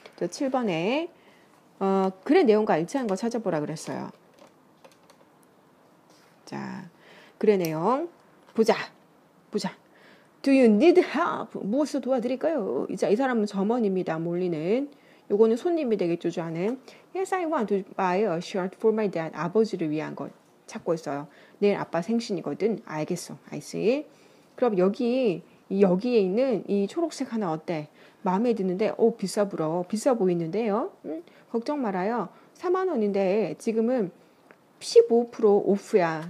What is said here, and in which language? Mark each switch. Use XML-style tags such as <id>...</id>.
<ko>또 7번에 글의 내용과 일치한 거 찾아보라 그랬어요. 자, 글의 내용 보자.</ko> <en>Do you need help?</en> <ko>무엇을 도와드릴까요? 이제 이 사람은 점원입니다. 몰리는. 요거는 손님이 되겠죠, 저는.</ko> <en>Yes, I want to buy a shirt for my dad.</en> <ko>아버지를 위한 걸 찾고 있어요. 내일 아빠 생신이거든. 알겠어.</ko> <en>I see.</en> <ko>그럼 여기에 있는 이 초록색 하나 어때? 마음에 드는데, 오, 비싸 부러워. 비싸 보이는데요? 걱정 말아요. 4만 원인데 지금은 15% off야.</ko>